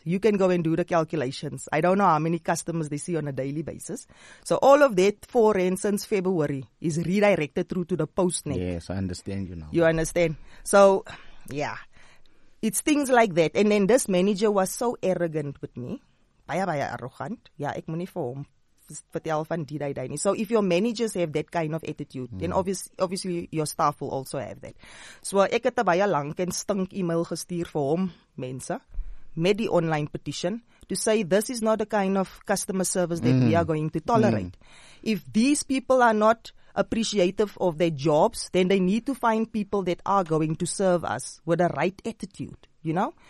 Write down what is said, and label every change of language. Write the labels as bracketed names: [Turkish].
[English] You can go and do the calculations. I don't know how many customers they see on a daily basis. So all of that R4 since February is redirected through to the post net. Yes, I understand you now. You understand? So, yeah. It's things like that. And then this manager was so arrogant with me. [Afrikaans] Baie, baie arrogant. Ja, ek moet nie vir hom vertel van die dai dai nie. [English] So if your managers have that kind of attitude, then obviously your staff will also have that. So [Afrikaans] ek het 'n baie lank en stink e-mail gestuur vir hom, mense, met die [English] online petition to say this is not the kind of customer service that we are going to tolerate. If these people are not appreciative of their jobs, then they need to find people that are going to serve us with the right attitude, you know?